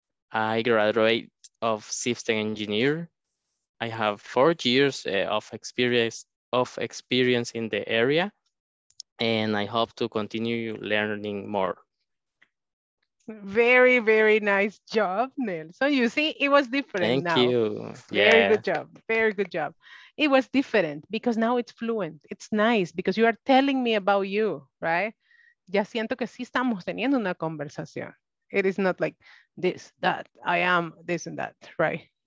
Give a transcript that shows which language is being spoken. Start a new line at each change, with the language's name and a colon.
English: I graduate of system engineer. I have 4 years of experience in the area, and I hope to continue learning more. Very, very nice job, Neil. So you see, it was different. Thank now. You. Yeah. Very good job. Very good job. It was different because now it's fluent. It's nice because you are telling me about you, right?
Spanish: Ya siento que sí estamos teniendo una conversación.
English: It is not like this, that, I am this and that, right?